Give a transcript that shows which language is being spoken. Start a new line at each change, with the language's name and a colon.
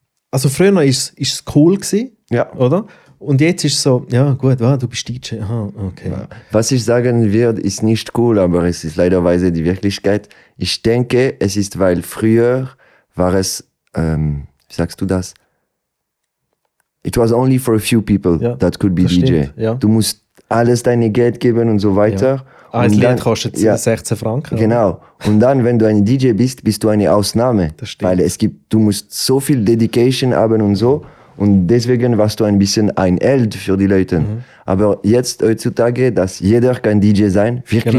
German: also früher ist es cool gewesen, ja. Oder? Und jetzt ist es so, ja gut, wow, du bist DJ, aha, okay. Ja. Was ich sagen würde, ist nicht cool, aber es ist leiderweise die Wirklichkeit. Ich denke, es ist, weil früher war es wie sagst du das?
English: It was only for a few people ja, that could be DJ.
German: Ja. Du musst alles deine Geld geben und so weiter. Ja. Ein Lied kostet ja, 16 Franken. Genau. Oder? Und dann, wenn du ein DJ bist, bist du eine Ausnahme. Das stimmt. Weil es gibt, du musst so viel Dedication haben und so. Und deswegen warst du ein bisschen ein Held für die Leute. Mhm. Aber jetzt heutzutage, dass jeder kann DJ sein, wirklich genau.